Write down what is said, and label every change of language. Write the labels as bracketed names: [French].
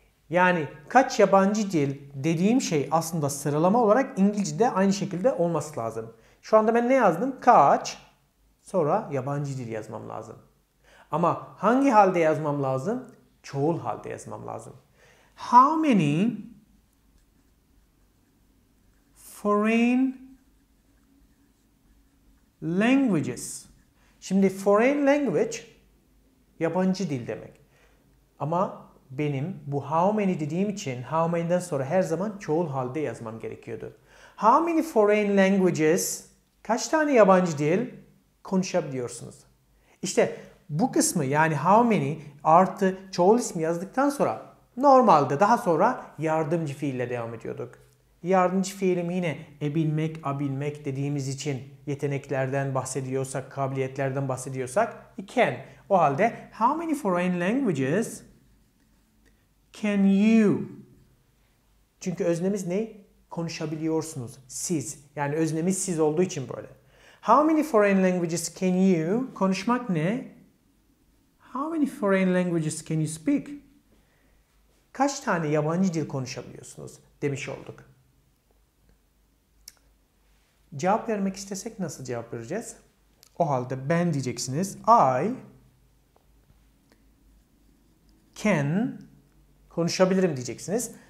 [Turkish] Yani kaç yabancı dil dediğim şey aslında sıralama olarak İngilizce'de aynı şekilde olması lazım. Şu anda ben ne yazdım? Kaç, sonra yabancı dil yazmam lazım. Ama hangi halde yazmam lazım? Çoğul halde yazmam lazım. [English] How many foreign languages? [Turkish] Şimdi foreign language yabancı dil demek. Ama benim bu [English] how many [Turkish] dediğim için how many'den sonra her zaman çoğul halde yazmam gerekiyordu. [English] How many foreign languages? [Turkish] Kaç tane yabancı dil konuşabiliyorsunuz? İşte bu kısmı yani [English] how many [Turkish] artı çoğul ismi yazdıktan sonra normalde daha sonra yardımcı fiille devam ediyorduk. Yardımcı fiilim yine bilmek, abilmek dediğimiz için yeteneklerden bahsediyorsak, kabiliyetlerden bahsediyorsak can. O halde [English] how many foreign languages can you? [Turkish] Çünkü öznemiz ne? Konuşabiliyorsunuz. Siz. Yani öznemiz siz olduğu için böyle. [English] How many foreign languages can you? [Turkish] Konuşmak ne? [English] How many foreign languages can you speak? [Turkish] Kaç tane yabancı dil konuşabiliyorsunuz? Demiş olduk. Cevap vermek istesek nasıl cevap vereceğiz? O halde ben diyeceksiniz. [English] I can [Turkish] konuşabilirim diyeceksiniz.